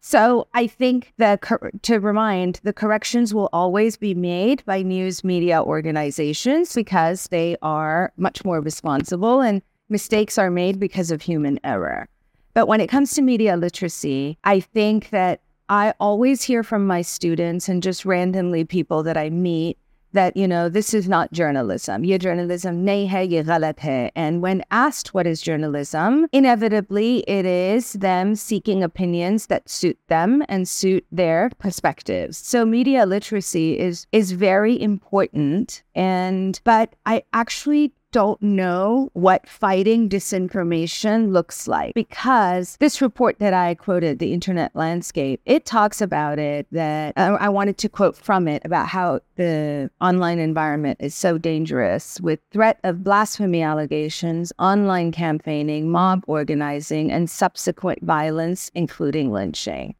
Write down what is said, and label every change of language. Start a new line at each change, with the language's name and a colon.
English: So I think the corrections will always be made by news media organizations because they are much more responsible and mistakes are made because of human error. But when it comes to media literacy, I think that I always hear from my students and just randomly people that I meet that, you know, this is not journalism. Your journalism,
Urdu: نہیں ہے، یہ غلط ہے۔
English: And when asked what is journalism, inevitably it is them seeking opinions that suit them and suit their perspectives. So media literacy is very important. But I actually don't know what fighting disinformation looks like, because this report that I quoted, The Internet Landscape, it talks about it that I wanted to quote from it about how the online environment is so dangerous with threat of blasphemy allegations, online campaigning, mob organizing, and subsequent violence, including lynching.